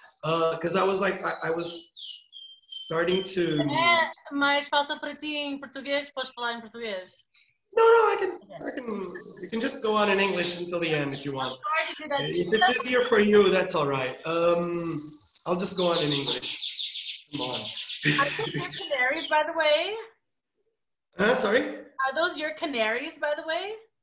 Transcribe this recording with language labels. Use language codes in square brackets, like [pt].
[en] Because I was like, I was starting to... [pt] Mas faça para ti em português, podes falar em português? [en] No, I can. You can just go on in English until the end if you want. If it's easier for you, that's all right. I'll just go on in English. Come on. Are those your canaries, by the way? Sorry? Are those your canaries, by the way?